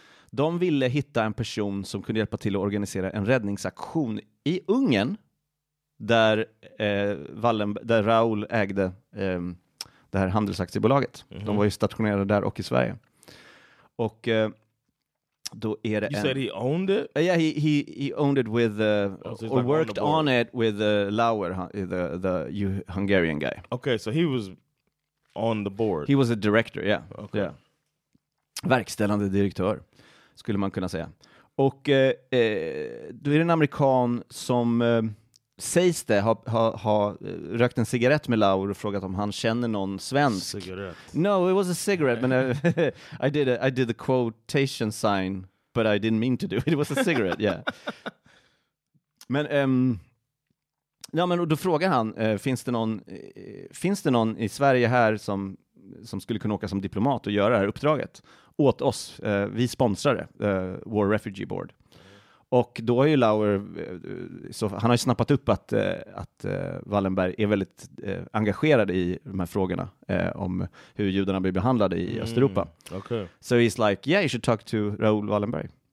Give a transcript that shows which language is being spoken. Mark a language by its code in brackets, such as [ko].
[sv] De ville hitta en person som kunde hjälpa till att organisera en räddningsaktion i Ungern där Raoul ägde det här handelsaktiebolaget. Mm-hmm. De var ju stationerade där och i Sverige. Och då är det [en] said he owned it? Yeah, he owned it with or like worked on it with Lauer, the Hungarian guy. Okay, so he was on the board. He was a director, yeah. Okay. Yeah. [sv] Verkställande direktör skulle man kunna säga. Och då är det en amerikan som sägs det ha rökt en cigarett med Lauer och frågat om han känner någon svensk. [en] Cigarette. No, it was a cigarette, but I did the quotation sign, but I didn't mean to do it. It was a cigarette, yeah. [sv] Men då frågar han finns det någon i Sverige här som skulle kunna åka som diplomat och göra det här uppdraget åt oss. Vi sponsrar det, War Refugee Board. Och då är ju Lauer, så han har ju snappat upp att Wallenberg är väldigt engagerad i de här frågorna om hur judarna blir behandlade i Östeuropa. [en] Okay. So he's like, yeah, you should talk to Raoul Wallenberg.